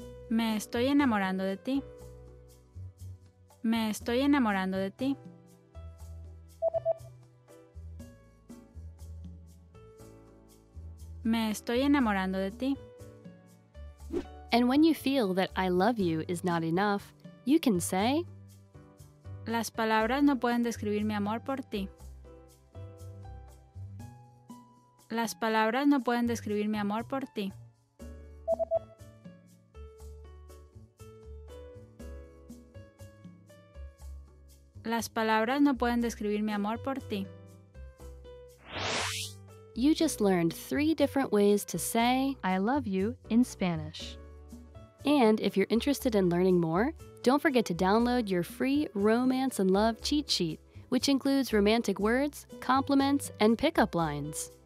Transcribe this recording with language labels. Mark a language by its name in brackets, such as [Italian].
[Spanish] Me estoy enamorando de ti. Me estoy enamorando de ti. Me estoy enamorando de ti. [English] And when you feel that I love you is not enough, you can say [Spanish] Las palabras no pueden describir mi amor por ti. Las palabras no pueden describir mi amor por ti. Las palabras no pueden describir mi amor por ti. [English] You just learned three different ways to say I love you in Spanish. And if you're interested in learning more, don't forget to download your free Romance and Love cheat sheet, which includes romantic words, compliments, and pickup lines.